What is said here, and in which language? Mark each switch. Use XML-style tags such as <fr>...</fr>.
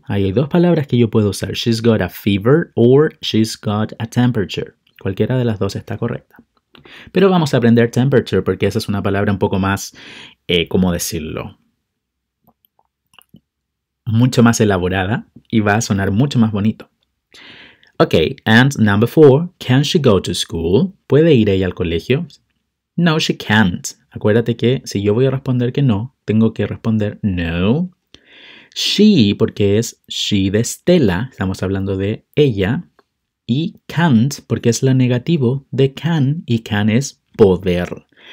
<es>Hay dos palabras que yo puedo usar.</es> <en>She's got a fever or she's got a temperature.</en> <es>Cualquiera de las dos está correcta. Pero vamos a aprender temperature porque esa es una palabra un poco más, ¿cómo decirlo? Mucho más elaborada y va a sonar mucho más bonito.</es> <en>Okay, and number 4, can she go to school?</en> <es>¿Puede ir ella al colegio?</es> <en>No, she can't.</en> <es>Acuérdate que si yo voy a responder que no, tengo que responder no. She, porque es she de Stella, estamos hablando de ella. Y can't, porque es la negativo de can, y can es poder.</es>